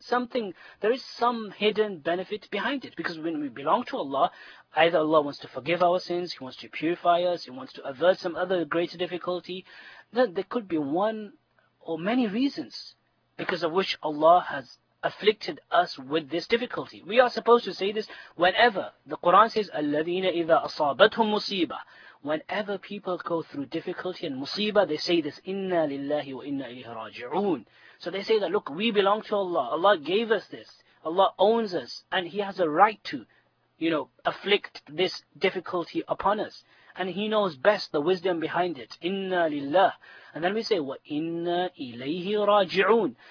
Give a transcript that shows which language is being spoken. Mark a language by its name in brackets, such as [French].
[English] Something, there is some hidden benefit behind it. Because when we belong to Allah, either Allah wants to forgive our sins, He wants to purify us, He wants to avert some other greater difficulty, then there could be one or many reasons because of which Allah has afflicted us with this difficulty. We are supposed to say this whenever. The Quran says, [Arabic] الَّذِينَ إِذَا أَصَابَتْهُمْ مُصِيبَةً. [English] Whenever people go through difficulty and musibah, they say this, [Arabic] إِنَّا لِلَّهِ وَإِنَّا إِلَيْهِ رَاجِعُونَ. [English] So they say that, look, we belong to Allah. Allah gave us this. Allah owns us. And He has a right to, you know, afflict this difficulty upon us. And He knows best the wisdom behind it. [Arabic] إِنَّا لِلَّهِ. [English] And then we say, [Arabic] وَإِنَّا إِلَيْهِ رَاجِعُونَ.